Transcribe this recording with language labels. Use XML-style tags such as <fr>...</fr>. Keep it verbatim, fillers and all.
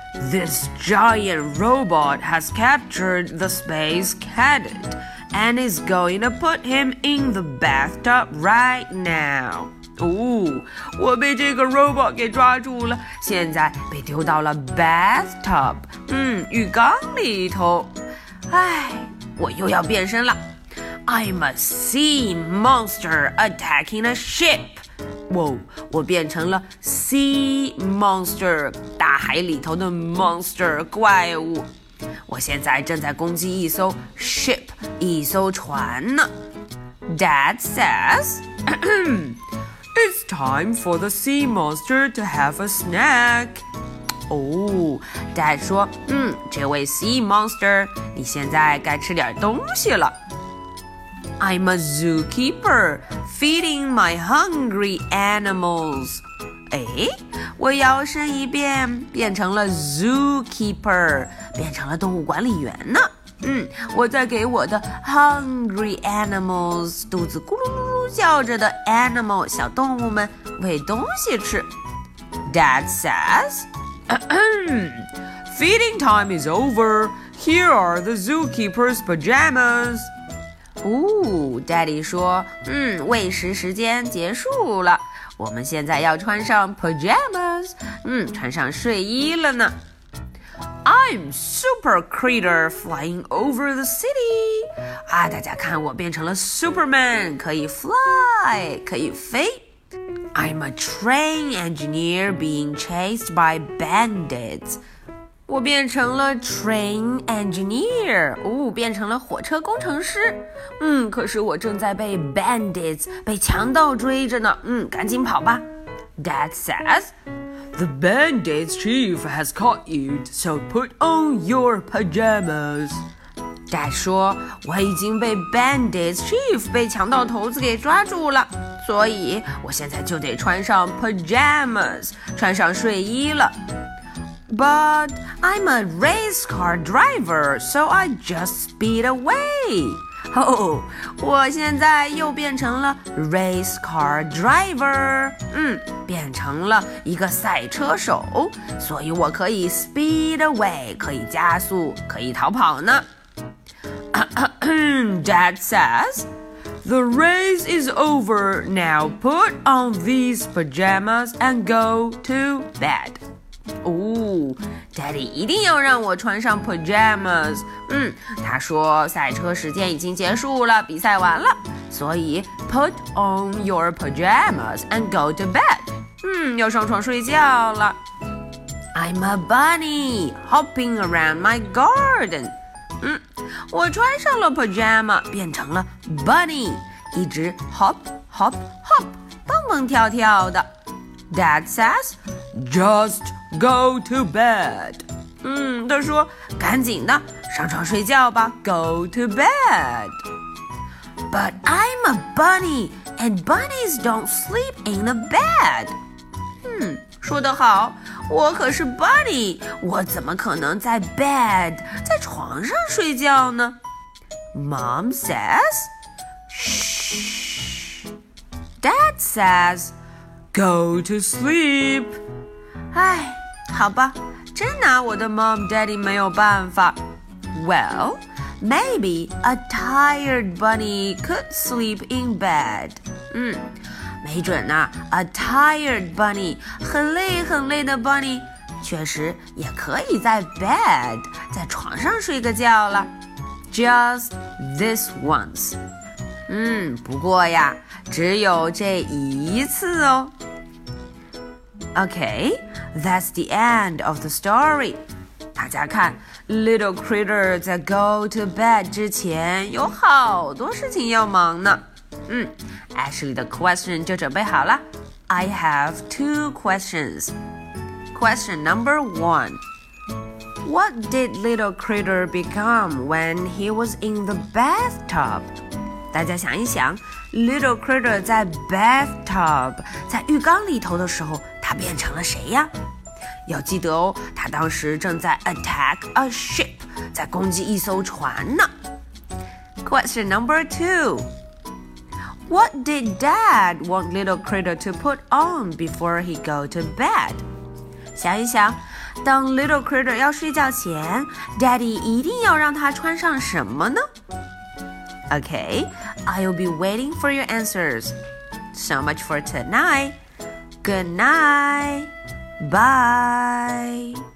<en>This giant robot has captured the space cadet and is going to put him in the bathtub right now.</en> <zh>哦，我被这个 robot 给抓住了，现在被丢到了 bathtub， 嗯，浴缸里头。唉，我又要变身了。</zh> <en>I'm a sea monster attacking a ship.</en> <zh>哇，我变成了</zh> <en>sea monster，</en> <zh>大海里头的 monster 怪物。我现在正在攻击一艘</zh> <en>ship，</en> <zh>一艘船呢。</zh> <en>Dad says, It's time for the sea monster to have a snack.</en> <zh>哦 Dad 说，嗯，这位</zh> <en>sea monster，</en> <zh>你现在该吃点东西了。</zh> <en>I'm a zookeeper feeding my hungry animals.</en> <zh>哎，我摇身一变变成了 zookeeper， 变成了动物管理员呢。嗯，我在给我的</zh> <en>hungry animals，</en> <zh>肚子咕噜噜噜叫着的 animal 小动物们喂东西吃。</zh> <en>Dad says, Feeding time is over. Here are the zookeeper's pajamas.</en> <zh>哦 Daddy 说，嗯，喂食时间结束了，我们现在要穿上 pajamas， 嗯，穿上睡衣了呢。</zh> <en>I'm Super Critter flying over the city.</en> <zh>啊，大家看，我变成了 Superman， 可以 fly， 可以飞。</zh> <en>I'm a train engineer being chased by bandits.</en> <zh>我变成了</zh> <en>train engineer，</en> <zh>哦，变成了火车工程师。嗯，可是我正在被</zh> <en>bandits，</en> <zh>被强盗追着呢。嗯，赶紧跑吧。</zh> <en>Dad says. The bandit's chief has caught you, so put on your pajamas.</en> <zh>Dad 说，我已经被</zh> <en>bandit's chief</en> <zh>被强盗头子给抓住了，所以我现在就得穿上 pajamas， 穿上睡衣了。</zh> <en>But I'm a race car driver, so I just speed away.</en> <zh>Oh, 我现在又变成了</zh> <en>race car driver.</en> <zh>嗯，变成了一个赛车手，所以我可以</zh> <en>speed away,</en> <zh>可以加速，可以逃跑呢。</zh> <en>Dad says, "The race is over. Now put on these pajamas and go to bed."</en> <zh>哦 Daddy 一定要让我穿上 pajamas 嗯，他说赛车时间已经结束了，比赛完了，所以</zh> <en>put on your pajamas and go to bed</en> <zh>嗯，要上床睡觉了。</zh> <en>I'm a bunny hopping around my garden</en> <zh>嗯，我穿上了 pajama 变成了 bunny 一直</zh> <en>hop hop hop</en> <zh>蹦蹦跳跳的。</zh> <en>Dad says Just go to bed</en> <zh>嗯，他说赶紧的上床睡觉吧</zh> <en>Go to bed But I'm a bunny And bunnies don't sleep in a bed</en> <zh>嗯，说得好，我可是 bunny 我怎么可能在 bed 在床上睡觉呢。</zh> <en>Mom says Shh Dad says Go to sleep</en> <zh>唉，好吧，真拿我的 mom daddy 没有办法。</zh> <en>Well, maybe a tired bunny could sleep in bed</en> <zh>嗯，没准啊</zh> <en>a tired bunny</en> <zh>很累很累的 bunny 确实也可以在 bed 在床上睡个觉了。</zh> <en>Just this once</en> <zh>嗯，不过呀只有这一次哦。</zh> <en>Okay, that's the end of the story.</en> <zh>大家看 Little Critter 在</zh> <en>go to bed</en> <zh>之前有好多事情要忙呢。嗯 Ashley 的 question 就准备好了。</zh> <en>I have two questions. Question number one. What did Little Critter become when he was in the bathtub?</en> <zh>大家想一想 Little Critter 在 bathtub 在浴缸里头的时候他变成了谁呀？要记得哦，他当时正在</zh> <en>attack a ship</en> <zh>在攻击一艘船呢。</zh> <en>Question number two What did Dad want Little Critter to put on before he go to bed?</en> <zh>想一想当 Little Critter 要睡觉前 Daddy 一定要让他穿上什么呢？</zh> <en>Okay, I'll be waiting for your answers. So much for tonight. Good night. Bye.</en>